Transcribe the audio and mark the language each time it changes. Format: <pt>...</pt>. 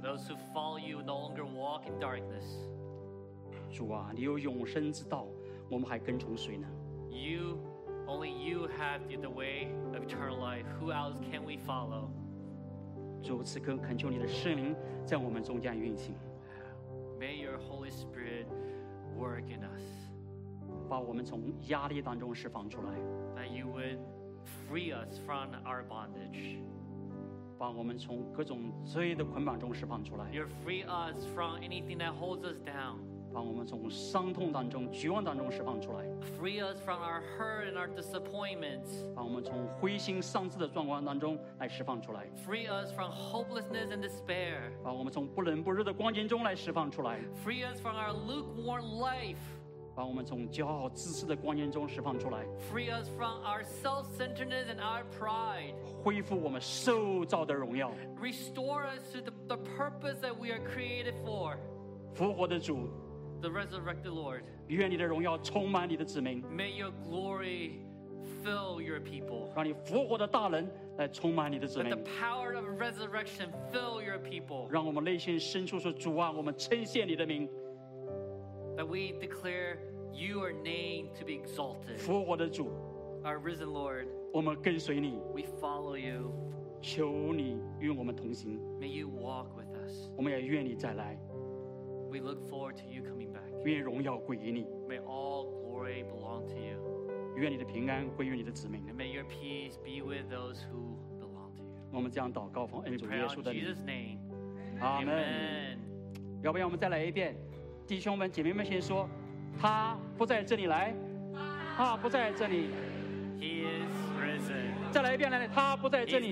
<en>Those who follow you no longer walk in darkness.</en> <zh>主啊，你有永生之道，我们还跟从谁呢？</zh> <en>You, only you have the way of eternal life. Who else can we follow?</en> <zh>主，此刻恳求你的圣灵在我们中间运行。</zh> <en>May your Holy Spirit work in us.</en> <zh>把我们从压力当中释放出来。</zh> <en>That you would free us from our bondage.</en> <zh>把我们从各种罪的捆绑中释放出来。</zh> <en>You free us from anything that holds us down.</en> <zh>把我们从伤痛当中、绝望当中释放出来。</zh> <en>Free us from our hurt and our disappointments.</en> <zh>把我们从灰心丧志的状况当中来释放出来。</zh> <en>Free us from hopelessness and despair.</en> <zh>把我们从不冷不热的光景中来释放出来。</zh> <en>Free us from our lukewarm life.</en> <zh>把我们从骄傲自私的光景中释放出来。</zh> <en>Free us from our self-centeredness and our pride.</en> <zh>恢复我们受造的荣耀。</zh> <en>Restore us to the purpose that we are created for.</en> <zh>复活的主。</zh> <en>the resurrected Lord.</en> <zh>愿你的荣耀充满你的子民。</zh> <en>May your glory fill your people.</en> <zh>让你复活的大能来充满你的子民。</zh> <en>Let the power of resurrection fill your people.</en> <zh>让我们内心深处说，主啊，我们称谢你的名。</zh> <en>That we declare your name to be exalted.</en> <zh>复活的主。</zh> <en>Our risen Lord.</en> <zh>我们跟随你。</zh> <en>We follow you.</en> <zh>求你与我们同行。</zh> <en>May you walk with us.</en> <zh>我们也愿你再来。</zh> <en>We look forward to you coming back.</en> <zh>愿荣耀归于你。</zh> <en>May all glory belong to you.</en> <zh>愿你的平安归于你的子民。</zh> <en>And may your peace be with those who belong to you.</en> <zh>我们这样祷告，奉恩主耶稣的名。Amen. Amen. 要不要我们再来一遍？弟兄们、姐妹们，先说，他不在这里来，他不在这里。</zh> <en>He is risen.</en> <zh>再来一遍，来，他不在这里。</zh>